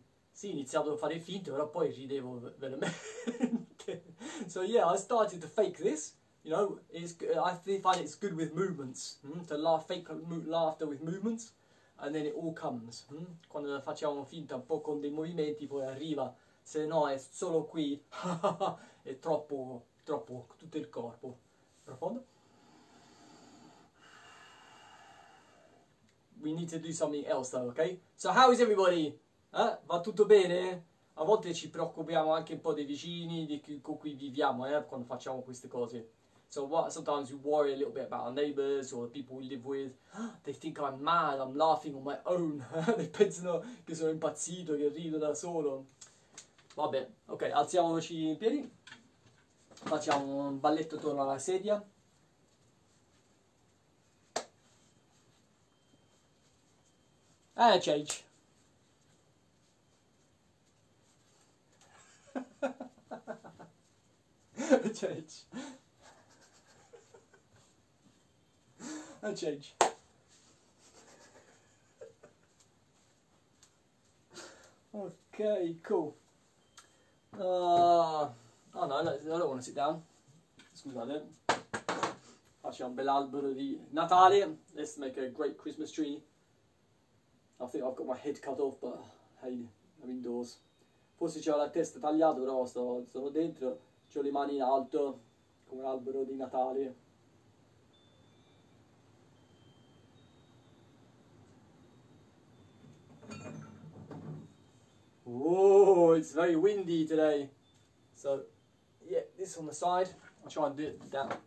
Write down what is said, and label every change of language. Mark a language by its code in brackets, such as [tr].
[it] Sì, iniziavo a fare finto, però poi ridevo veramente. [en] So yeah, I started to fake this. You know, it's good. I find it's good with movements, to laugh, fake laughter with movements, and then it all comes. [it] Quando facciamo finta un po' con dei movimenti, poi arriva, se no è solo qui, è troppo, troppo, tutto il corpo. Profondo. [en] We need to do something else though, ok? So how is everybody? [it] Va tutto bene? A volte ci preoccupiamo anche un po' dei vicini, di chi, con cui viviamo, quando facciamo queste cose. [en] So what, sometimes you worry a little bit about our neighbors or the people we live with. They think I'm mad, I'm laughing on my own. [it] They pensano che sono impazzito, che rido da solo. Vabbè, ok, alziamoci in piedi. Facciamo un balletto attorno alla sedia. [en] Change. Change. A change. Ok, cool. Oh no, I don't want to sit down. Scusate. [it] Faccio un bell'albero di Natale. [en] Let's make a great Christmas tree. I think I've got my head cut off, but hey, I'm indoors. [it] Forse c'ho la testa tagliata, però sono dentro. C'ho le mani in alto, come l'albero di Natale. [en] Oh, it's very windy today. So, yeah, this on the side. I'll try and do it down.